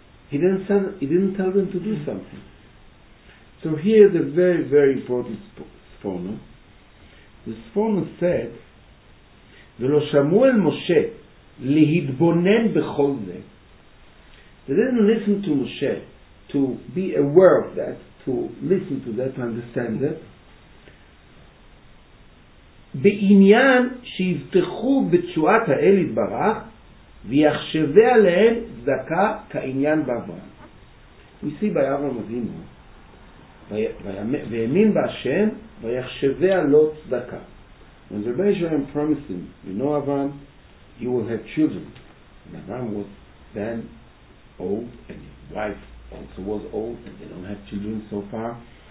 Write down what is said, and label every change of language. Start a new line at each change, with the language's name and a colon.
English: He didn't tell them to do something. So here's a very, very important Sforno. The Sforno said,
Hebrew: "Velo shamu el Moshe lihidbonen bechol zeh."
English: They didn't listen to Moshe to be aware of that, to listen to that, to understand that.
Hebrew: בעניין שיבטחו בתשועת האל יתברך ויחשבי עליהם צדקה כעניין באברהם.
English: We see by Avraham Avinu,
Hebrew: ויאמין בהשם ויחשבי עלו צדקה.
English: When the Rebbeinu promised him, you know Avraham, you will have children. And Avraham was then old, and his wife also was old, and they don't have children so far.